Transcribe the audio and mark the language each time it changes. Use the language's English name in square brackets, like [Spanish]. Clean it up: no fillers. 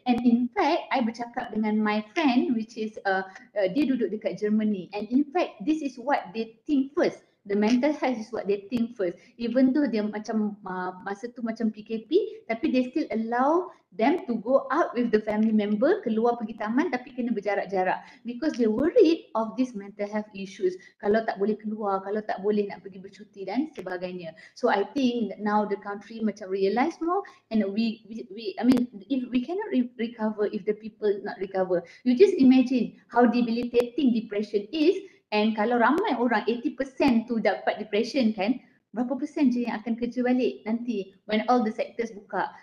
[English] And in fact I [Malay] bercakap dengan [English] my friend which is [Malay] dia duduk dekat [English] Germany, and in fact this is what they think first. The mental health is what they think first. Even though [Malay] dia macam masa tu macam PKP, tapi [English] they still allow them to go out with the family member, [Malay] keluar pergi taman tapi kena berjarak-jarak. [English] Because they worried of this mental health issues. [Malay] Kalau tak boleh keluar, kalau tak boleh nak pergi bercuti dan sebagainya. [English] So I think that now the country macam realize more, and if we cannot recover, if the people not recover. You just imagine how debilitating depression is. [Malay] And kalau ramai orang 80% tu dapat depression kan, berapa persen je yang akan kerja balik nanti [English] when all the sectors [Malay] buka.